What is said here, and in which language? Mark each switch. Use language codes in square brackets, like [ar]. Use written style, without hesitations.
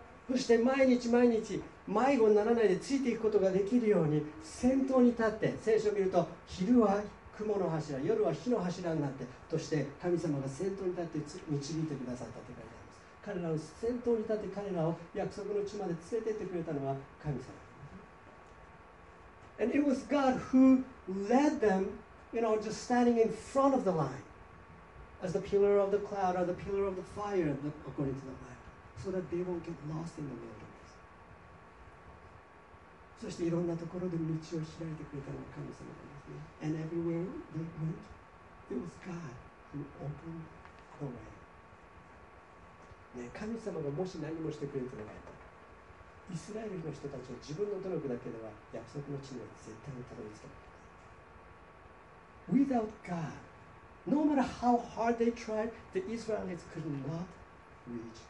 [ja] そして毎日毎日迷子にならないでついていくことができるように先頭に立って、聖書を見ると昼は雲の柱、夜は火の柱になってとして、神様が先頭に立って導いてくださったと書いてあります。彼らを先頭に立って、彼らを約束の地まで連れて行ってくれたのは神様。 [en] And it was God who led them, you know, just standing in front of the line as the pillar of the cloud or the pillar of the fire according to the Bible. So that they won't get lost in the wilderness. [ja] そしていろんなところで道を開いてくれたのが神様なんですね。 [en] And everywhere they went, it was God who opened the way. [ja] ね、神様がもし何もしてくれてなかったら、イスラエルの人たちは自分の努力だけでは約束の地には絶対にたどり着けない。 [en] Without God, no matter how hard they tried, the Israelites could not reach.